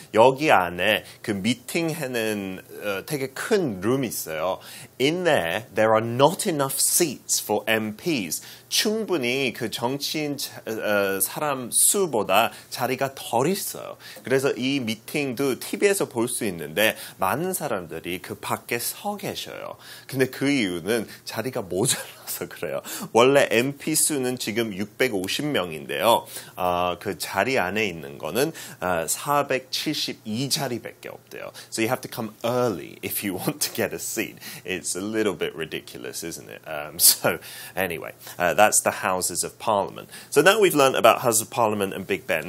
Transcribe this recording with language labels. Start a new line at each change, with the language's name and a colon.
Korean: 여기 안에 그 미팅하는 되게 큰 룸이 있어요.
English: In there are not enough seats for MPs.
Korean: 충분히 그 정치인 사람 수보다 자리가 덜 있어요. 그래서 이 미팅도 TV에서 볼 수 있는데 많은 사람들이 그 밖에 서 계셔요. 근데 그 이유는 자리가 모자라서 그래요. 원래 MP 수는 지금 650명인데요. 그 자리 안에 있는 거는 472자리밖에 없대요.
English: So you have to come early if you want to get a seat. It's a little bit ridiculous, isn't it? That's the Houses of Parliament. So now we've learned about Houses of Parliament and Big Ben.